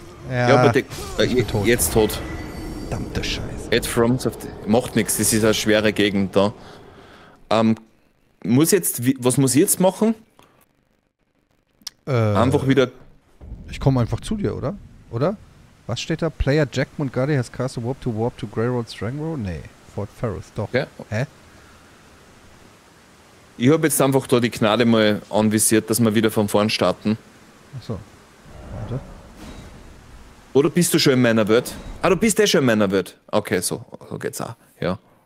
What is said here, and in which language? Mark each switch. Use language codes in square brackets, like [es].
[de] Ja, bitte. Jetzt tot. Verdammte Scheiße. Ed Fromsoft macht nichts, das ist eine schwere Gegend da. Was muss ich jetzt machen? Einfach wieder. Ich komme einfach zu dir, oder? Oder? Was steht da? [en] Player Jack Montgardi has cast a warp to Greyroll Strangroll? [de] Nee, Fort Ferris, doch. Ja. Hä? Ich habe jetzt einfach da die Gnade mal anvisiert, dass wir wieder von vorn starten. Achso. Warte. Oder bist du schon in meiner Welt? Ah, du bist eh schon in meiner Welt. Okay, so geht's auch. Ja.